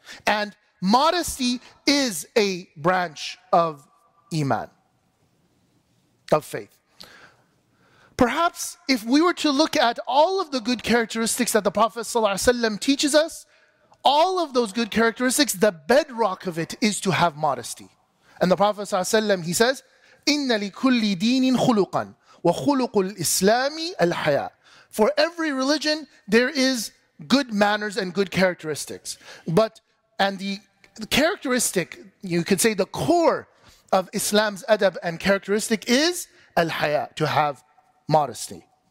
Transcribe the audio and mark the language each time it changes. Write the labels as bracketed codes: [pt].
[en] And modesty is a branch of iman, of faith. Perhaps if we were to look at all of the good characteristics that the Prophet ﷺ teaches us, all of those good characteristics, the bedrock of it is to have modesty. And the Prophet ﷺ, he says, [ar] إِنَّ لِكُلِّ دِينٍ خُلُقًا وَخُلُقُ الْإِسْلَامِ الْحَيَاءِ. [en] For every religion, there is good manners and good characteristics. But, and the characteristic, you could say the core of Islam's adab and characteristic is al-haya, to have modesty.